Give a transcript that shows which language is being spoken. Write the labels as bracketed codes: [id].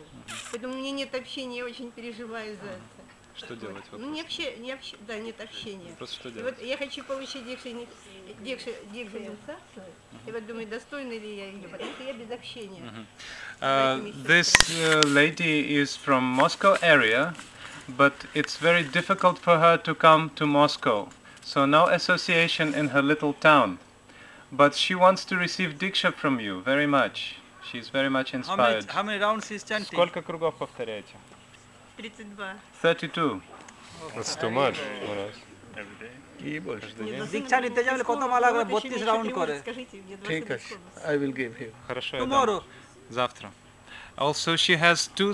[ru] Uh-huh. Поэтому у меня нет общения, я очень переживаю за это. Что вот. Делать? Вопрос? Ну, не вообще, не вообще, да, нет общения. Просто что делать? Вот я хочу получить дикшу инициацию. Я вот думаю, достойна ли я ее, потому что я без общения. [en] This lady is from Moscow area. But it's very difficult for her to come to Moscow. So no association in her little town. But she wants to receive diksha from you very much. She's very much inspired. How many rounds is chanting? [ru] Сколько кругов повторяете? 32. [en] That's too much. I will give him. [ru] Хорошо, [en] Tomorrow. [ru] Завтра. [en] Also, she has two...